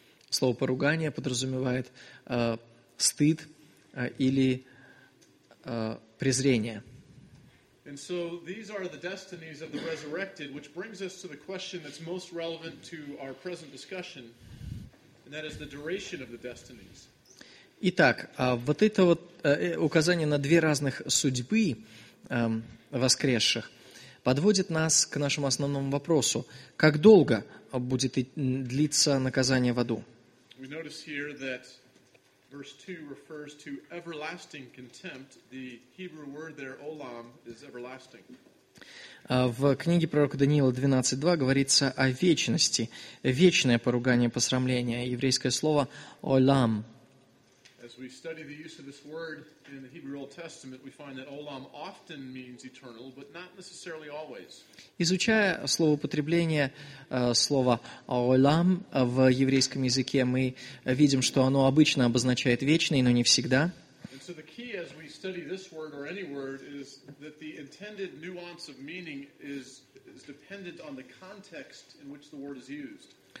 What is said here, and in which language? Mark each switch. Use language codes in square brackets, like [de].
[ru] Слово «поругание» подразумевает стыд или презрение. [en] And so these are the destinies of the resurrected, which brings us to the question that's most relevant to our present discussion, and that is the duration of the destinies. [ru] Итак, вот это вот указание на две разных судьбы воскресших подводит нас к нашему основному вопросу. Как долго будет длиться наказание в аду? [en] We notice here that verse 2 refers to everlasting contempt. The Hebrew word there, olam, is everlasting. [ru] В книге пророка Даниила 12:2 говорится о вечности. Вечное поругание, посрамление. Еврейское слово olam. [en] As we study the use of this word in the Hebrew Old Testament, we find that olam often means eternal, but not necessarily always. [ru] Изучая словоупотребление слова olam в еврейском языке, мы видим, что оно обычно обозначает вечный, но не всегда. [en] And so the key as we study this word or any word is that the intended nuance of meaning is dependent on the context in which the word is used.